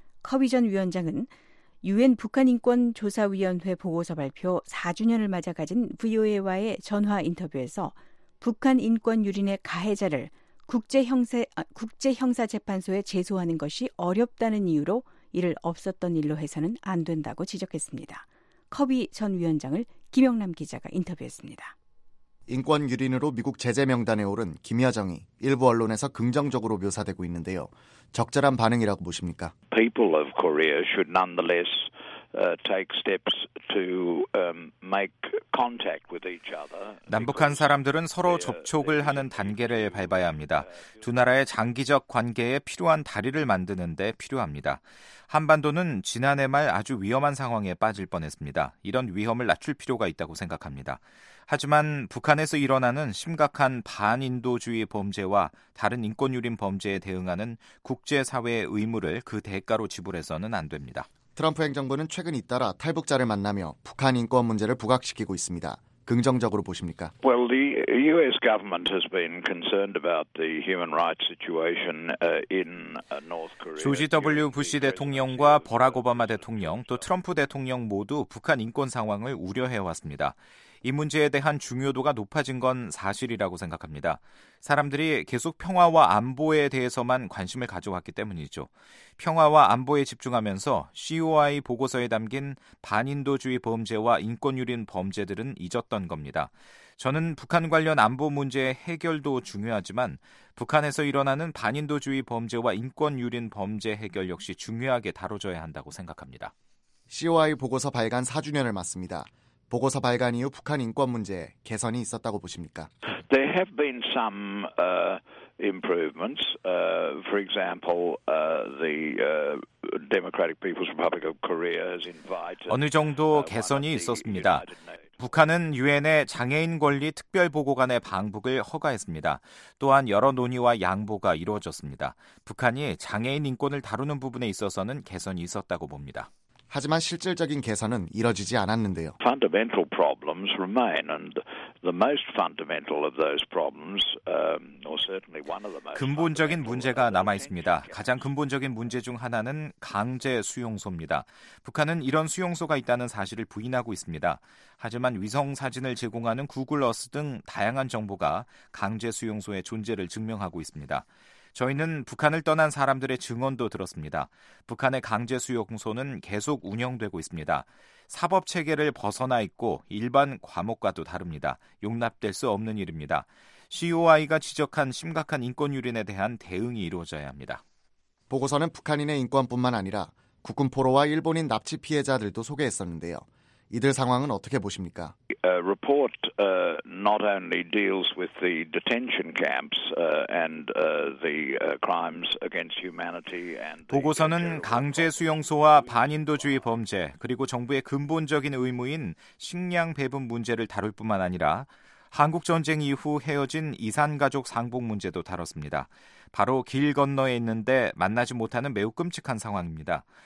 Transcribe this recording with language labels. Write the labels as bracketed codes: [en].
[ko] 커비 전 위원장은 유엔 북한인권조사위원회 보고서 발표 4주년을 맞아 가진 VOA와의 전화 인터뷰에서 북한 인권 유린의 가해자를 국제형사재판소에 제소하는 것이 어렵다는 이유로 이를 없었던 일로 해서는 안 된다고 지적했습니다. 커비 전 위원장을 김영남 기자가 인터뷰했습니다. 인권 유린으로 미국 제재 명단에 오른 김여정이 일부 언론에서 긍정적으로 묘사되고 있는데요. 적절한 반응이라고 보십니까? [en] People of Korea should nonetheless take steps to make contact with each other. [ko] 남북한 사람들은 서로 접촉을 하는 단계를 밟아야 합니다. 두 나라의 장기적 관계에 필요한 다리를 만드는 데 필요합니다. 한반도는 지난해 말 아주 위험한 상황에 빠질 뻔했습니다. 이런 위험을 낮출 필요가 있다고 생각합니다. 하지만 북한에서 일어나는 심각한 반인도주의 범죄와 다른 인권유린 범죄에 대응하는 국제사회의 의무를 그 대가로 지불해서는 안 됩니다. 트럼프 행정부는 최근 잇따라 탈북자를 만나며 북한 인권 문제를 부각시키고 있습니다. 긍정적으로 보십니까? [en] Well, the U.S. government has been concerned about the human rights situation in North Korea. [ko] 조지 W. 부시 대통령과 버락 오바마 대통령 또 트럼프 대통령 모두 북한 인권 상황을 우려해 왔습니다. 이 문제에 대한 중요도가 높아진 건 사실이라고 생각합니다. 사람들이 계속 평화와 안보에 대해서만 관심을 가져왔기 때문이죠. 평화와 안보에 집중하면서 COI 보고서에 담긴 반인도주의 범죄와 인권유린 범죄들은 잊었던 겁니다. 저는 북한 관련 안보 문제의 해결도 중요하지만 북한에서 일어나는 반인도주의 범죄와 인권유린 범죄 해결 역시 중요하게 다뤄져야 한다고 생각합니다. COI 보고서 발간 4주년을 맞습니다. 보고서 발간 이후 북한 인권 문제에 개선이 있었다고 보십니까? [en] There have been some improvements. For example, the Democratic People's Republic of Korea has invited [ko] 어느 정도 개선이 있었습니다. 북한은 유엔의 장애인 권리 특별 보고관의 방북을 허가했습니다. 또한 여러 논의와 양보가 이루어졌습니다. 북한이 장애인 인권을 다루는 부분에 있어서는 개선이 있었다고 봅니다. 하지만 실질적인 개선은 이뤄지지 않았는데요. [en] Fundamental problems remain, and the most fundamental of those problems, or certainly one of the most [ko] 근본적인 문제가 남아 있습니다. 가장 근본적인 문제 중 하나는 강제 수용소입니다. 북한은 이런 수용소가 있다는 사실을 부인하고 있습니다. 하지만 위성 사진을 제공하는 구글 어스 등 다양한 정보가 강제 수용소의 존재를 증명하고 있습니다. 저희는 북한을 떠난 사람들의 증언도 들었습니다. 북한의 강제수용소는 계속 운영되고 있습니다. 사법체계를 벗어나 있고 일반 과목과도 다릅니다. 용납될 수 없는 일입니다. COI가 지적한 심각한 인권유린에 대한 대응이 이루어져야 합니다. 보고서는 북한인의 인권뿐만 아니라 국군포로와 일본인 납치 피해자들도 소개했었는데요. 이들 상황은 어떻게 보십니까? [en] Report not only deals with the detention camps and the crimes against humanity and [ko] 보고서는 강제 수용소와 반인도주의 범죄 그리고 정부의 근본적인 의무인 식량 배분 문제를 다룰 뿐만 아니라 한국 전쟁 이후 헤어진 이산 가족 상봉 문제도 다뤘습니다. 바로 길 건너에 있는데 만나지 못하는 매우 끔찍한 상황입니다.